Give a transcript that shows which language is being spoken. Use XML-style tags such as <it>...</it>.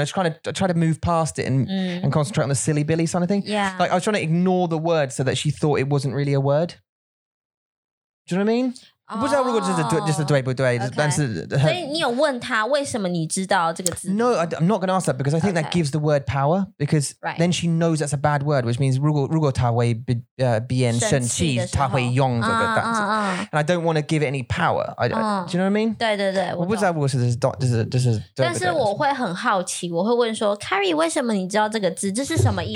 <en>I try to move past it and concentrate on the silly Billy sort of thing. Yeah. Like I was trying to ignore the word so that she thought it wasn't really a word. Do you know what I mean?</en> <zh>不知道如果就是对不对，但是所以你有问他为什么你知道这个字</zh> <en>？No, I'm not going to ask that because I think that gives the word power. Because then she knows that's a bad word, which means</en> <zh>如果他会变生气，他会用这个单词。</zh> <en>And I don't want to give it any power. Do you know what I mean?</en> <zh>对对对，我不知道如果是这是。但是我会很好奇，我会问说 ，Carrie， 为什么你知道这个字？这是什么意思？</zh>